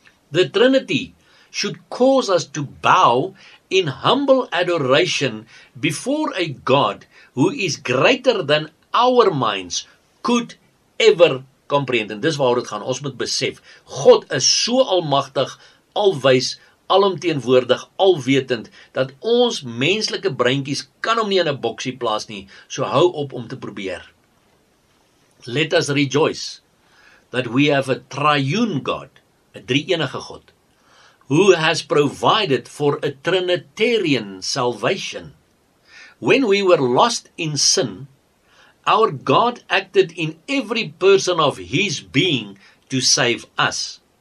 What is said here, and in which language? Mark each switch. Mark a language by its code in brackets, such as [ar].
[en] The Trinity should cause us to bow in humble adoration before a God who is greater than our minds could ever comprehend. [af] En dis waar dit gaan. Ons moet besef, God is so almagtig, alwys, alomteenwoordig, alwetend, dat ons menslike breintjies kan hom nie in 'n boksie plaas nie, so hou op om te probeer. [en] Let us rejoice that we have a triune God, a drie-enige God, who has provided for a Trinitarian salvation. When we were lost in sin, our God acted in every person of his being to save us.